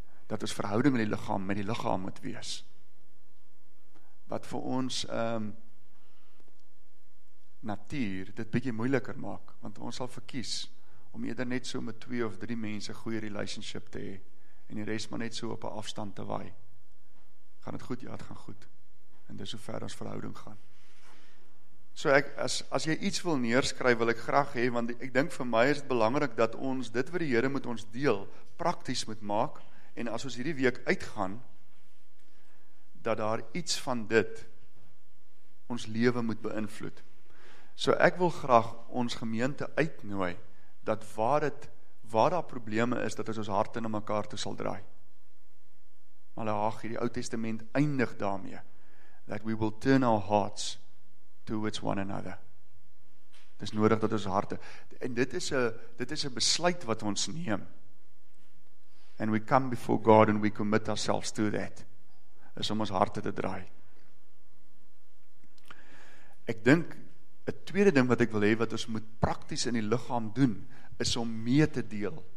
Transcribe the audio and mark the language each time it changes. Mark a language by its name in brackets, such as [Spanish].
[Afrikaans] Dat ons verhouding met die liggaam moet wees. Wat vir ons natuur dit bietjie moeiliker maak, want ons sal verkies om eerder net so met 2 of 3 mense goeie relationship te hê en die res maar net so op 'n afstand te waai. Gaan dit goed? Ja, dit gaan goed. En dis hoe ver ons verhouding gaan. So ek as jy iets wil neerskryf, wil ek graag hê, want ek dink vir my is dit belangrik dat ons dit wat die Here met ons deel prakties moet maak, en as ons hierdie week uitgaan dat daar iets van dit ons lewe moet beïnvloed. So ek wil graag ons gemeente uitnooi dat waar daar probleme is, dat ons harte na mekaar toe sal draai. [English] Malachi, [Afrikaans] die Ou Testament eindig daarmee, [English] that we will turn our hearts towards one another. [Afrikaans] Dit is nodig dat ons harte, en dit is 'n besluit wat ons neem. [English] And we come before God and we commit ourselves to that, [Afrikaans] is om ons harte te draai. Ek dink, 'n tweede ding wat ek wil hê wat ons moet prakties in die liggaam doen, is om mee te deel.